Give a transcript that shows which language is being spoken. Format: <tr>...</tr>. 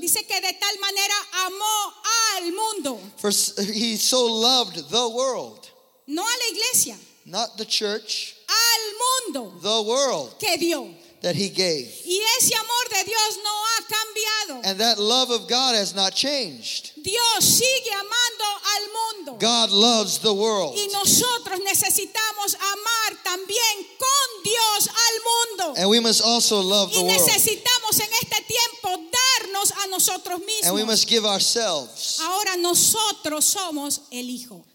<es>Dice que de tal manera amó al mundo.</es> <en>For he so loved the world.</en> <es>No a la iglesia.</es> <en>Not the church.</en> <es>Al mundo.</es> <en>The world.</en> <es>Que dio.</es> <en>That he gave.</en> <es>Y ese amor de Dios no ha cambiado.</es> <en>And that love of God has not changed.</en> <es>Dios sigue amando al mundo.</es> <en>God loves the world.</en> <es>Y nosotros necesitamos amar también con Dios al mundo.</es> <en>And we must also love the world.</en> <es>Y necesitamos en este tiempo darnos a nosotros mismos.</es> <en>And we must give ourselves.</en> <es>Ahora nosotros somos el hijo.</es>